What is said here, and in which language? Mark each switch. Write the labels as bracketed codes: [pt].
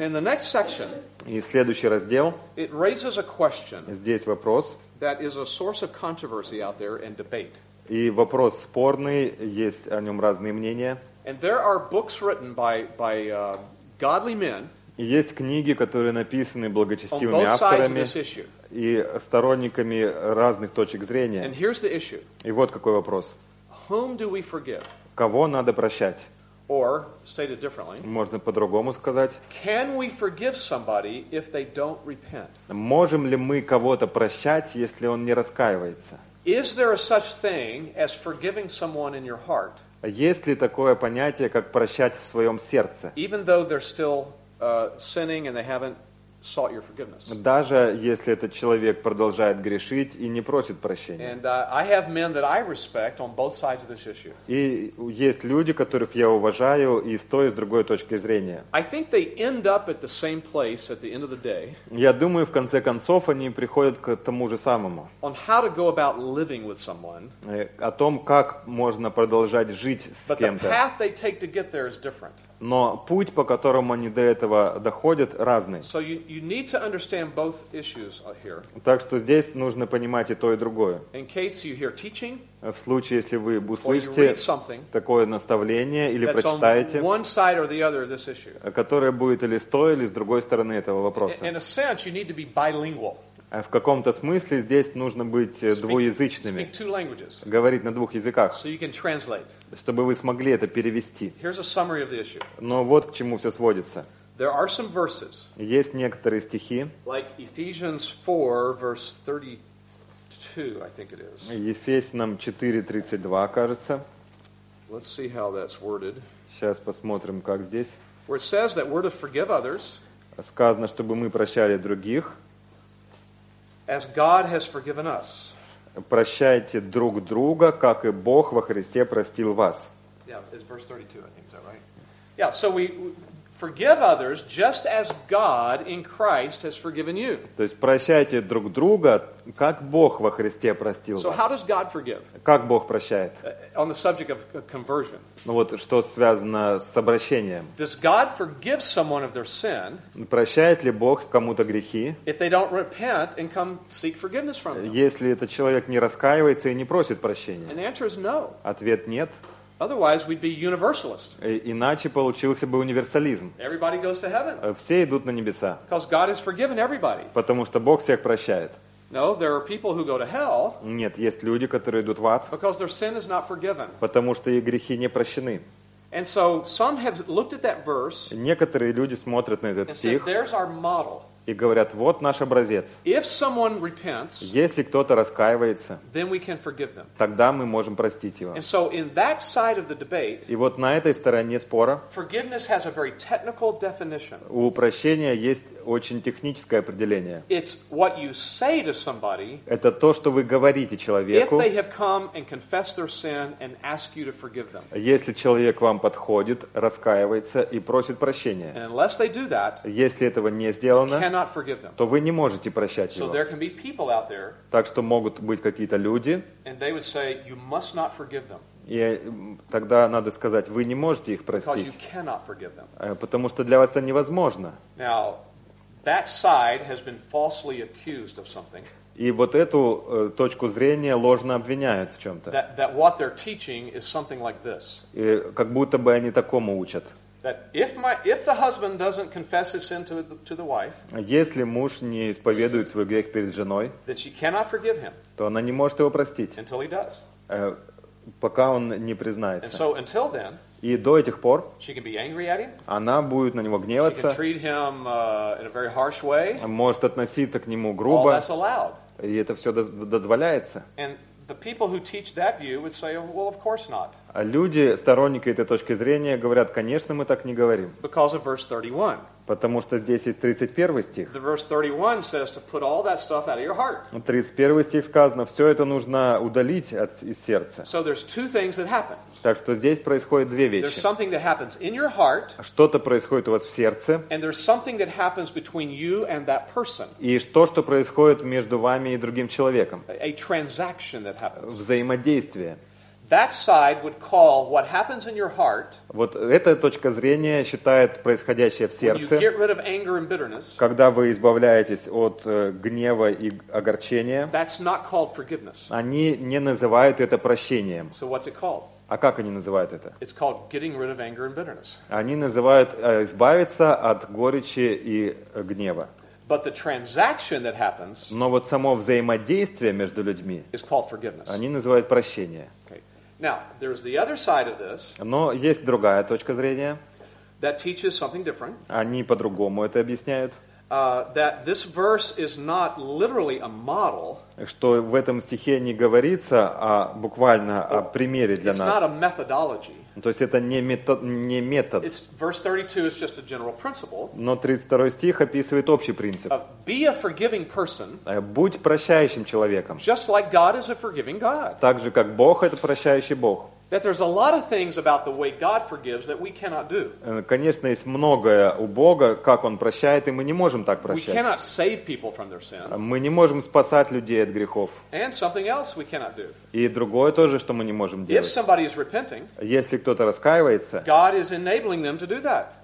[en] In the next section, [ru] и следующий раздел, [en] it raises a question, [ru] здесь вопрос, [en] that is a source of controversy out there and debate. [ru] И вопрос спорный, есть о нем разные мнения. [en] And there are books written by godly men. [ru] И есть книги, которые написаны благочестивыми авторами и сторонниками разных точек зрения. [en] And here's the issue. [ru] И вот какой вопрос. [en] Whom do we forgive? [ru] Кого надо прощать? [en] Or, stated differently, [ru] можно по-другому сказать. [en] Can we forgive somebody if they don't repent? [ru] Можем ли мы кого-то прощать, если он не раскаивается? [en] Is there a such thing as forgiving someone in your heart? [ru] Есть ли такое понятие, как прощать в своем сердце? [en] Even though they're still sinning and they haven't sought your forgiveness. [ru] Даже если этот человек продолжает грешить и не просит прощения. [en] And I have men that I respect on both sides of this issue. [ru] И есть люди, которых я уважаю и с той, и с другой точки зрения. [en] I think they end up at the same place at the end of the day. [ru] Я думаю, в конце концов они приходят к тому же самому. [en] On how to go about living with someone. [ru] О том, как можно продолжать жить с кем-то. [en] But the path they take to get there is different. [ru] Но путь, по которому они до этого доходят, разный. [en] So you need to understand both issues here. [ru] Так что здесь нужно понимать и то, и другое. [en] In case you hear teaching, [ru] в случае, если вы услышите такое наставление или прочитаете, [en] on one side or the other of this issue. [ru] Которое будет или с той, или с другой стороны этого вопроса. [en] In a sense, you need to be bilingual. [ru] В каком-то смысле здесь нужно быть двуязычными. [en] Speak two languages. [ru] Говорить на двух языках. [en] So you can translate. [ru] Чтобы вы смогли это перевести. [en] Here's a summary of the issue. [ru] Но вот к чему все сводится. [en] There are some verses, [ru] есть некоторые стихи. [en] Like Ephesians 4, verse 32, I think it is. [ru] Ефесянам 4:32, кажется. [en] Let's see how that's worded. [ru] Сейчас посмотрим, как здесь. [en] Where it says that we're to forgive others. [ru] Сказано, чтобы мы прощали других. [en] As God has forgiven us. [ru] Прощайте друг друга, как и Бог во Христе простил вас. [en] Yeah, it's verse 32, I think, is that right? Yeah, so we Forgive others just as God in Christ has forgiven you. [ru] То есть прощайте друг друга, как Бог во Христе простил вас. [en] So how does God forgive? [ru] Как Бог прощает? [en] On the subject of conversion. [ru] Ну вот что связано с обращением. [en] Does God forgive someone of their sin? [ru] Прощает ли Бог кому-то грехи? [en] If they don't repent and come seek forgiveness from them. [ru] Если этот человек не раскаивается и не просит прощения. [en] And the answer is no. [ru] Ответ нет. [en] Otherwise we'd be universalist. [ru] Иначе получился бы универсализм. [en] Everybody goes to heaven. [ru] Все идут на небеса. [en] Because God has forgiven everybody. [ru] Потому что Бог всех прощает. [en] No, there are people who go to hell. [ru] Нет, есть люди, которые идут в ад. [en] Because their sin is not forgiven. [ru] Потому что их грехи не прощены. [en] And so some have looked at that verse. [ru] Некоторые люди смотрят на этот стих. [en] Said, there's our model. [ru] И говорят, вот наш образец. [en] If someone repents, [ru] если кто-то раскаивается, [en] then we can forgive them. [ru] Тогда мы можем простить его. [en] And so in that side of the debate, [ru] и вот на этой стороне спора, [en] forgiveness has a very technical definition. [ru] У прощения есть очень техническое определение. [en] It's what you say to somebody, [ru] это то, что вы говорите человеку, [en] if they have come and confessed their sin and ask you to forgive them. [ru] Если человек к вам подходит, раскаивается и просит прощения. [en] And unless they do that, [ru] если этого не сделано, [en] cannot forgive them. [ru] То вы не можете прощать его. [en] So there can be people out there, [ru] так что могут быть какие-то люди. [en] And they would say, you must not forgive them. [ru] И тогда надо сказать, вы не можете их простить. [en] Because you cannot forgive them. [ru] Потому что для вас это невозможно. [en] Now, that side has been falsely accused of something. [ru] И вот эту точку зрения ложно обвиняют в чем-то. [en] That what they're teaching is something like this. [ru] И как будто бы они такому учат. [en] That if the husband doesn't confess his sin to the wife, [ru] если муж не исповедует свой грех перед женой, [en] then she cannot forgive him, [ru] то она не может его простить, [en] until he does, [ru] пока он не признается. [en] And so until then, [ru] и до этих пор, [en] she can be angry at him, [ru] она будет на него гневаться, [en] she can treat him in a very harsh way, [ru] может относиться к нему грубо, [en] all that's allowed, [ru] и это все дозволяется. [en] And the people who teach that view would say, well, of course not. [ru] А люди, сторонники этой точки зрения, говорят, конечно, мы так не говорим. [en] Because of verse 31. [ru] Потому что здесь есть 31 стих. [en] The verse 31 says to put all that stuff out of your heart. [ru] 31 стих сказано, все это нужно удалить из сердца. [en] So there's two things that happen. [ru] Так что здесь происходят две вещи. [en] There's something that happens in your heart. [ru] Что-то происходит у вас в сердце. [en] And there's something that happens between you and that person. [ru] И то, что происходит между вами и другим человеком. [en] A transaction that happens. [ru] Взаимодействие. [en] That side would call what happens in your heart. [ru] Вот эта точка зрения считает происходящее в сердце. [en] When you get rid of anger and bitterness. [ru] Когда вы избавляетесь от гнева и огорчения. [en] That's not called forgiveness. [ru] Они не называют это прощением. [en] So what's it called? [ru] А как они называют это? [en] It's called getting rid of anger and bitterness. [ru] Они называют избавиться от горечи и гнева. [en] But the transaction that happens. [ru] Но вот само взаимодействие между людьми. [en] Is called forgiveness. [ru] Они называют прощение. [en] Now, there's the other side of this. [ru] Но есть другая точка зрения. [en] That teaches something different. [ru] Они по-другому это объясняют. [en] That this verse is not literally a model. [ru] Что в этом стихе не говорится, а буквально о примере для нас. [en] It's not a methodology. [ru] То есть это не метод. [en] It's, verse 32 is just a general principle. [ru] Но 32 стих описывает общий принцип. [en] Be a forgiving person. [ru] Будь прощающим человеком. [en] Just like God is a forgiving God. [ru] Так же, как Бог это прощающий Бог. [en] That there's a lot of things about the way God forgives that we cannot do. [ru] Конечно, есть многое у Бога, как Он прощает, и мы не можем так прощать. [en] We cannot save people from their sin. [ru] Мы не можем спасать людей от грехов. [en] And something else we cannot do. [ru] И другое тоже, что мы не можем делать. [en] If somebody is repenting, [ru] если кто-то раскаивается, [en] God is enabling them to do that.